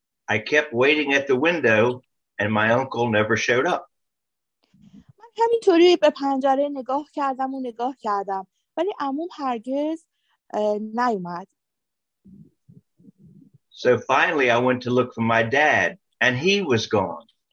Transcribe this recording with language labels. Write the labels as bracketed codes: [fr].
[en] I kept waiting at the window and my uncle never showed up. [fa] من همینطوری به پنجره نگاه کردم و نگاه کردم ولی عموم هرگز نیومد. [en] So finally I went to look for my dad and he was gone.